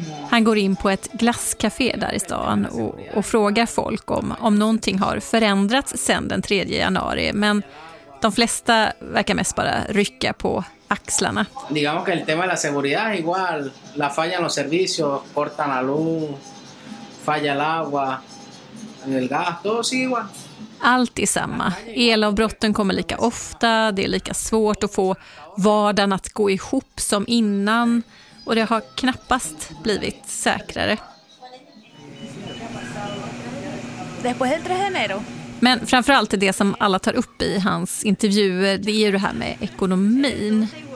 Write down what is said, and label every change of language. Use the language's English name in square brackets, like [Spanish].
[Swedish] Han går in på ett glasscafé där i stan och frågar folk om någonting har förändrats sedan den 3 januari. Men de flesta verkar mest bara rycka på axlarna. [Spanish] Digamos que el tema de la seguridad es igual. La falla en los servicios, cortan la luz, falla el agua, el gas, todo sigue igual. [Swedish] Allt är samma. Elavbrotten kommer lika ofta, det är lika svårt att få vardagen att gå ihop som innan och det har knappast blivit säkrare. Men framförallt är det som alla tar upp i hans intervjuer, det är ju det här med ekonomin.